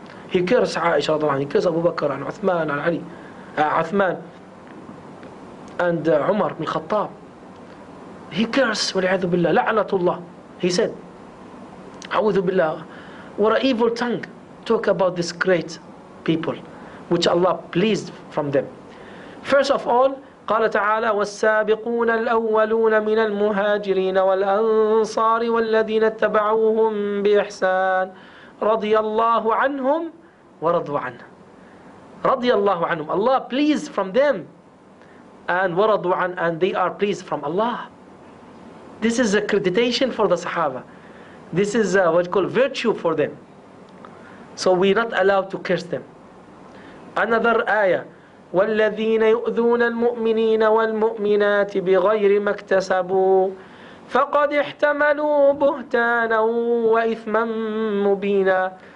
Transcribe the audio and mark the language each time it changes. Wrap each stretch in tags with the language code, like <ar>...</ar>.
<en>He cares Aisha radiallahu anha, he cares Abu Bakr and Uthman and Ali, Uthman and Umar ibn Khattab. He cares,</en> <ar>وَلِعَذُ بِاللَّهِ لَعْنَةُ اللَّهِ.</ar> <en>He said,</en> <ar>أَعُوذُ بِاللَّهِ,</ar> <en>what an evil tongue talk about these great people, which Allah pleased from them. First of all,</en> <ar>قال تعالى والسابقون الأولون من المهاجرين والأنصار والذين اتبعوهم بإحسان رضي الله عنهم ورضوا عنه. رضي الله عنهم,</ar> <en>Allah pleased from them, and</en> <ar>ورضوا عن,</ar> <en>and they are pleased from Allah. This is accreditation for the Sahaba. This is what you call virtue for them. So we're not allowed to curse them. Another ayah,</en> <ar>والذين يؤذون المؤمنين والمؤمنات بغير ما اكتسبوا فقد احتملوا بهتانا وإثما مبينا.</ar>